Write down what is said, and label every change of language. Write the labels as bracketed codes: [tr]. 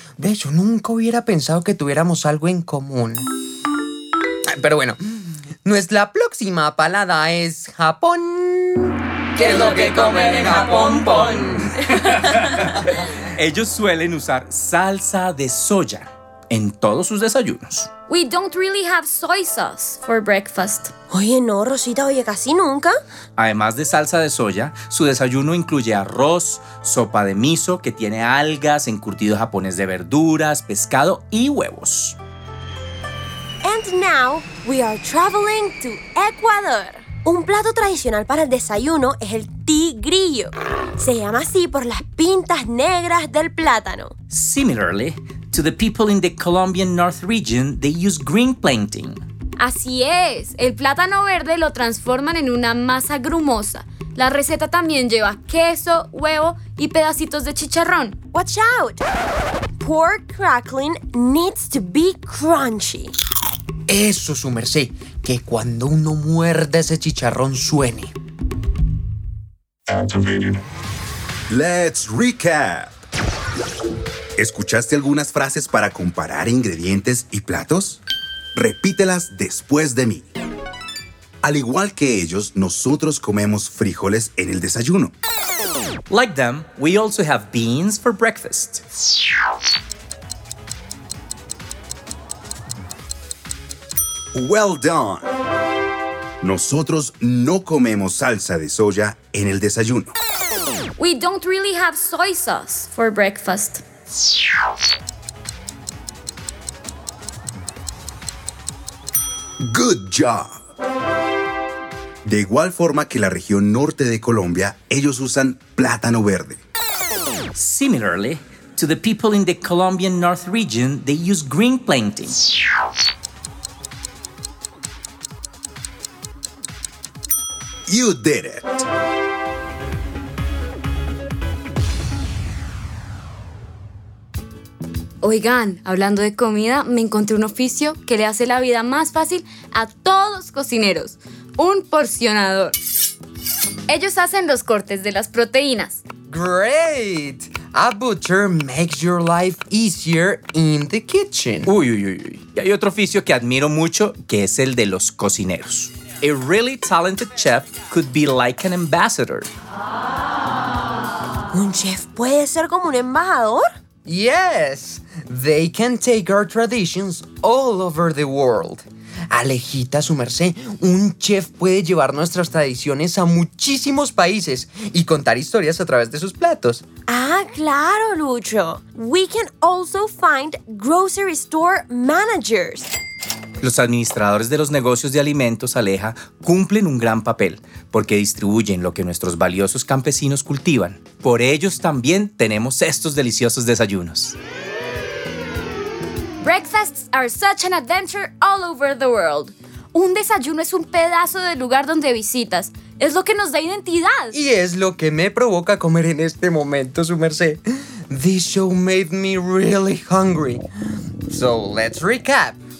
[es] De hecho, nunca hubiera pensado que tuviéramos algo en común. Pero bueno, nuestra próxima parada es Japón. ¿Qué es lo que comen en Japón, pon? Ellos suelen usar salsa de soya en todos sus desayunos. [en] We don't really have soy sauce for breakfast. [es] Oye, no, Rosita, oye, casi nunca. Además de salsa de soya, su desayuno incluye arroz, sopa de miso que tiene algas, encurtido japonés de verduras, pescado y huevos. [en] En And now we are traveling to Ecuador. [es] Un plato tradicional para el desayuno es el tigrillo. Se llama así por las pintas negras del plátano. [en] Similarly, to the people in the Colombian North region, they use green plantain. [es] Así es, el plátano verde lo transforman en una masa grumosa. La receta también lleva queso, huevo y pedacitos de chicharrón. [en] Watch out! Pork crackling needs to be crunchy. [es] Eso, su merced, que cuando uno muerde ese chicharrón suene. [en] Let's recap. [es] ¿Escuchaste algunas frases para comparar ingredientes y platos? Repítelas después de mí. Al igual que ellos, nosotros comemos frijoles en el desayuno. [en] Like them, we also have beans for breakfast. Well done. [es] Nosotros no comemos salsa de soya en el desayuno. [en] We don't really have soy sauce for breakfast. Good job. [es] De igual forma que la región norte de Colombia, ellos usan plátano verde. [en] Similarly, to the people in the Colombian North region, they use green plantain. You did it. [es] Oigan, hablando de comida, me encontré un oficio que le hace la vida más fácil a todos los cocineros. Un porcionador. Ellos hacen los cortes de las proteínas. [en] Great! A butcher makes your life easier in the kitchen. Uy, uy, uy. [es] Y hay otro oficio que admiro mucho, que es el de los cocineros. [en] A really talented chef could be like an ambassador. [es] ¿Un chef puede ser como un embajador? [en] Yes, they can take our traditions all over the world. [es] Alejita, su merced, un chef puede llevar nuestras tradiciones a muchísimos países y contar historias a través de sus platos. Ah, claro, [en] Lucho. We can also find grocery store managers. [es] Los administradores de los negocios de alimentos, Aleja, cumplen un gran papel porque distribuyen lo que nuestros valiosos campesinos cultivan. Por ellos también tenemos estos deliciosos desayunos. [en] Breakfasts are such an adventure all over the world. [es] Un desayuno es un pedazo del lugar donde visitas. Es lo que nos da identidad. Y es lo que me provoca comer en este momento, su merced. [en] This show made me really hungry. So let's recap.